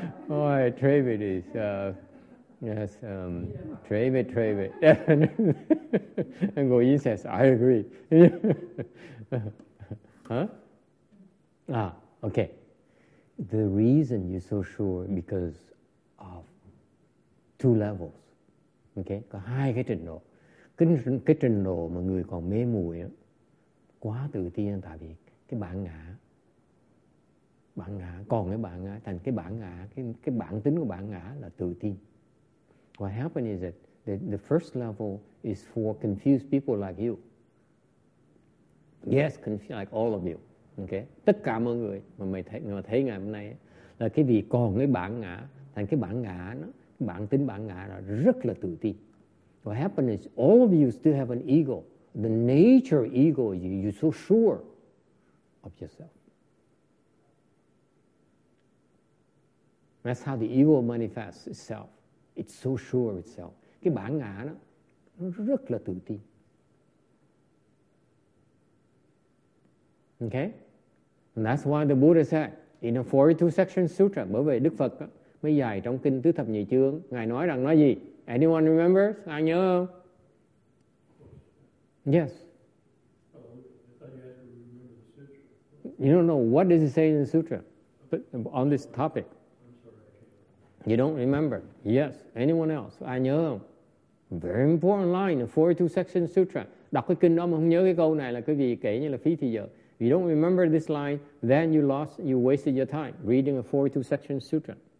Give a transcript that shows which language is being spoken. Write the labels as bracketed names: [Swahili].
[English] All right, David is... Yes, Trave it. And Goyin says, I agree. Huh? Okay. The reason you're so sure because of two levels. [Vietnamese] Okay? Có hai cái trình độ. Cái trình độ mà người còn mê muội quá tự tin, tại vì cái bản ngã. Bản ngã, còn cái bản ngã, thành cái bản ngã, cái bản tính của bản ngã là tự tin. [English] What happened is that the first level is for confused people like you. Yes, confused, like all of you. [Vietnamese] Okay, tất cả mọi người mà mày thấy ngày hôm nay là cái vì còn cái bản ngã, thành cái bản ngã nó, bản tính bản ngã là rất là tự tin. [English] What happened is all of you still have an ego. The nature of ego, you're so sure of yourself. That's how the ego manifests itself. It's so sure of itself. [Vietnamese] Cái bản ngã đó, nó rất là tự tin. Okay? [English] And that's why the Buddha said, in a 42-section sutra, [Vietnamese] bởi vì Đức Phật mới dạy trong Kinh Tứ Thập Nhị Chương, Ngài nói rằng nói gì? [English] Anyone remember? [Vietnamese] Ai nhớ không? [English] Yes. You don't know what does it say in the sutra on this topic. You don't remember. Yes. Anyone else? [Vietnamese] Ai nhớ không? [English] Very important line in 42-section sutra. [Vietnamese] Đọc cái kinh đó mà không nhớ cái câu này là cái gì, kể như là phí thì giờ. [English] If you don't remember this line, then you wasted your time reading a 42-section sutra.